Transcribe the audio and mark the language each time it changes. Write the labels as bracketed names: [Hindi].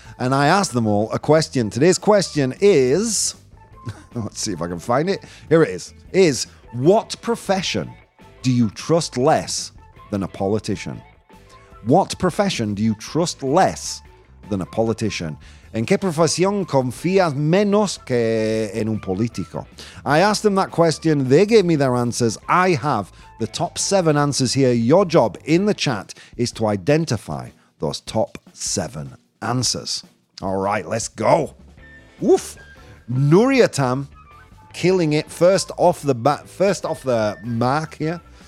[English] And I asked them all a question. Today's question is, let's see if I can find it. Here it is, what profession do you trust less than a politician? What profession do you trust less than a politician? [Spanish] ¿En qué profesión confías menos que en un político? [English] I asked them that question. They gave me their answers. I have the top 7 answers here. Your job in the chat is to identify those top 7 answers. All right, let's go. Oof. Nuriatam killing it first off the mark here.